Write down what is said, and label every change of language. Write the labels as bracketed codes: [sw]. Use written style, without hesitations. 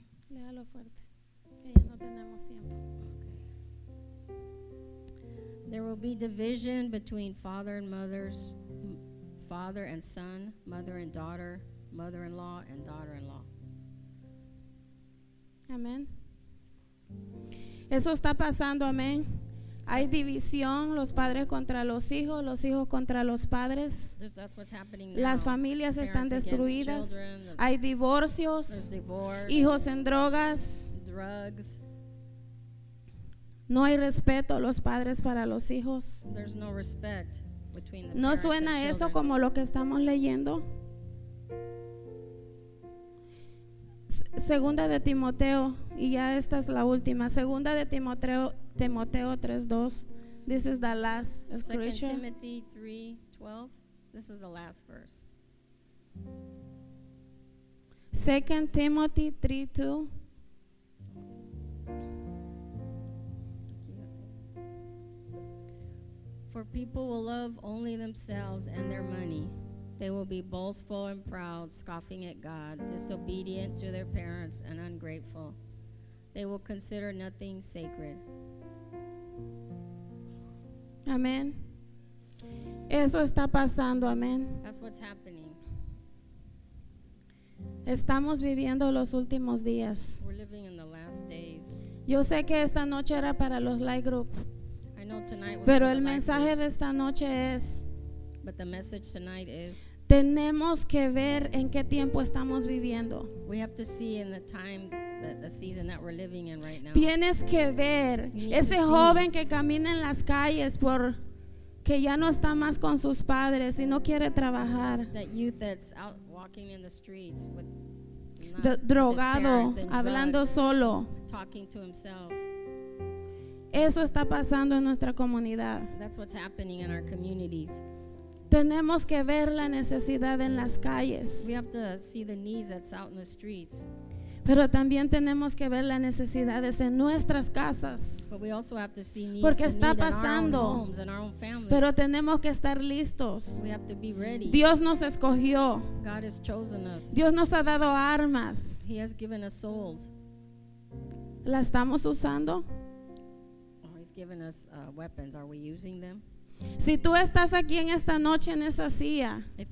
[es] Léalo fuerte, que ya no tenemos tiempo. [en] There will be division between father and mothers, father and son, mother and daughter, mother-in-law and daughter-in-law. [es] Amen. Eso está pasando, amén. Hay división, los padres contra los hijos contra los padres. [en] That's what's happening now. [es] Las familias [en] parents [es] están destruidas. Hay divorcios, [en] divorce, [es] hijos en drogas. [en] Drugs. [es] No hay respeto los padres para los hijos. [en] There's no respect between the [es] ¿No suena [en] and [es] eso [en] children. [es] Como lo que estamos leyendo? Segunda de Timoteo, y ya esta es la última. Segunda de Timoteo 3:2. [en] This is the last scripture. 2 Timothy 3:12. This is the last verse. 2 Timothy 3:2. For people will love only themselves and their money. They will be boastful and proud, scoffing at God, disobedient to their parents, and ungrateful. They will consider nothing sacred. [es] Amen. Eso está pasando, amen. [en] That's what's happening. [es] Estamos viviendo los últimos días. [en] We're living in the last days. [es] Yo sé que esta noche era para los Light Group. [en] I know tonight was [es] pero el mensaje de esta noche es [en] but the message tonight is, [es] tenemos que ver en qué tiempo estamos viviendo. [en] We have to see in the time the season that we're living in right now. [es] Tienes que ver ese joven que camina en las calles por que ya no está más con sus padres y no quiere trabajar. [en] That youth that's out walking in the streets with [es] drogado, hablando solo. [en] Talking to himself. [es] Eso está pasando en nuestra comunidad. [en] That's what's happening in our communities. [es] Tenemos que ver la necesidad en las calles. [en] We have to see the needs that's out in the streets. [es] Pero también tenemos que ver las necesidades en nuestras casas. [en] But we also have to see need, [es] porque está pasando. [en] In our own homes, in our own families. [es] Pero tenemos que estar listos. [en] We have to be ready. [es] Dios nos escogió. [en] God has chosen us. [es] Dios nos ha dado armas. [en] He has given us souls. [es] ¿La estamos usando? [en] Oh, he's given us weapons. Are we using them? [es] Si tú estás aquí en esta noche en esa silla,